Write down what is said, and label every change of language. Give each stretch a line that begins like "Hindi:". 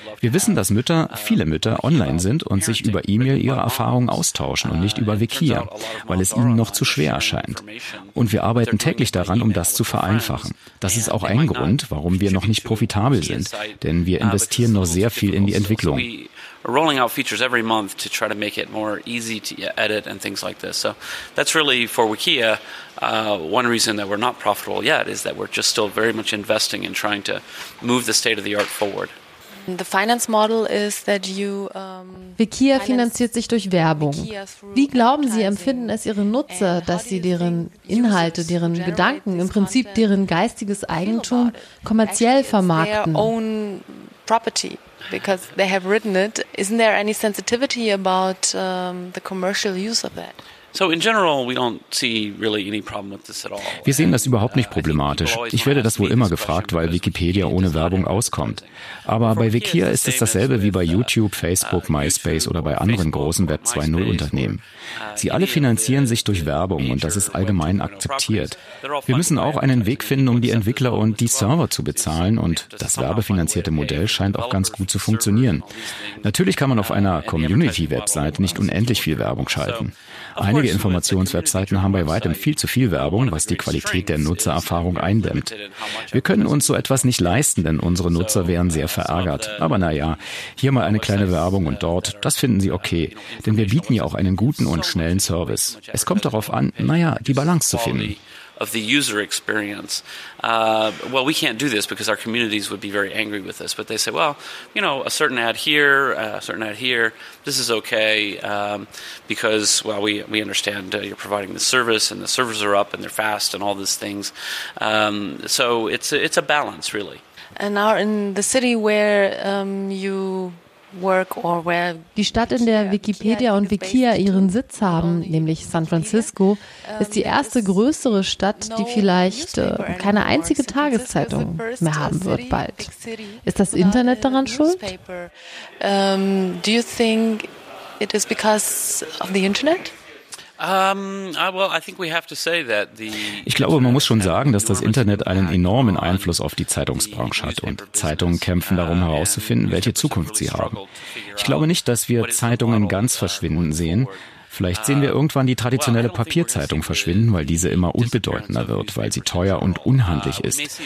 German: Wir wissen, dass viele Mütter online sind und sich über E-Mail ihre Erfahrungen austauschen und nicht über Wikia, weil es ihnen noch zu schwer erscheint. Und wir arbeiten täglich daran, um das zu vereinfachen. Das ist auch ein Grund, warum wir noch nicht profitabel sind, denn wir investieren noch sehr viel in die Entwicklung.
English: Rolling out features every month to try to make it more easy to edit and things like this. So that's really for Wikia one reason that we're not profitable yet is that we're just still very much investing in trying to move the state of the art forward. The finance model is that you
German: Wikia finanziert sich durch Werbung. Wie glauben Sie, empfinden es Ihre Nutzer, dass Sie deren Inhalte, deren Gedanken, im Prinzip deren geistiges Eigentum kommerziell vermarkten?
English: Their own property, because they have written it. Isn't there any sensitivity about the commercial use of that? So in general, we don't see really any problem with this at all.
German: Wir sehen das überhaupt nicht problematisch. Ich werde das wohl immer gefragt, weil Wikipedia ohne Werbung auskommt. Aber bei Wikia ist es dasselbe wie bei YouTube, Facebook, MySpace oder bei anderen großen Web 2.0 Unternehmen. Sie alle finanzieren sich durch Werbung und das ist allgemein akzeptiert. Wir müssen auch einen Weg finden, um die Entwickler und die Server zu bezahlen und das werbefinanzierte Modell scheint auch ganz gut zu funktionieren. Natürlich kann man auf einer Community-Website nicht unendlich viel Werbung schalten. Einige Informationswebseiten haben bei weitem viel zu viel Werbung, was die Qualität der Nutzererfahrung eindämmt. Wir können uns so etwas nicht leisten, denn unsere Nutzer wären sehr verärgert. Aber naja, hier mal eine kleine Werbung und dort, das finden sie okay. Denn wir bieten ja auch einen guten und schnellen Service. Es kommt darauf an, naja, die Balance zu finden.
English: Of the user experience. Well, we can't do this because our communities would be very angry with this. But they say, well, you know, a certain ad here, this is okay because, well, we understand you're providing the service and the servers are up and they're fast and all these things. So it's a balance, really. And now in the city where you work or where
German: die Stadt, in der Wikipedia und Wikia ihren Sitz haben, nämlich San Francisco, ist die erste größere Stadt, die vielleicht keine einzige Tageszeitung mehr haben wird bald. Ist das Internet daran schuld?
English: Do you think it is because of the Internet?
German: Ich glaube, man muss schon sagen, dass das Internet einen enormen Einfluss auf die Zeitungsbranche hat und Zeitungen kämpfen darum herauszufinden, welche Zukunft sie haben. Ich glaube nicht, dass wir Zeitungen ganz verschwinden sehen. Vielleicht sehen wir irgendwann die traditionelle Papierzeitung verschwinden, weil diese immer unbedeutender wird, weil sie teuer und unhandlich ist.